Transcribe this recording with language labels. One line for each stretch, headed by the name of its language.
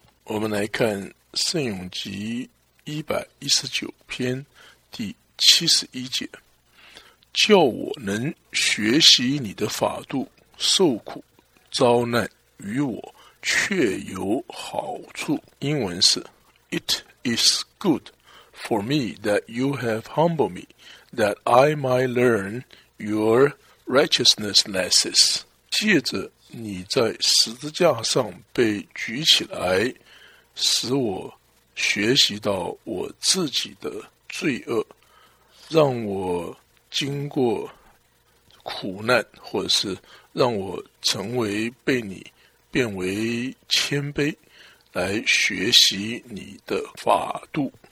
Chinese: 我们来看圣咏集119篇第71节，叫我能学习你的法度，受苦遭难于我却有好处。英文是
English: It is good for me that you have humbled me, that I might learn your righteousness lessons.
Chinese: 借着你在十字架上被举起来，使我学习到我自己的罪恶，让我经过苦难，或者是让我成为被你变为谦卑，来学习你的法度。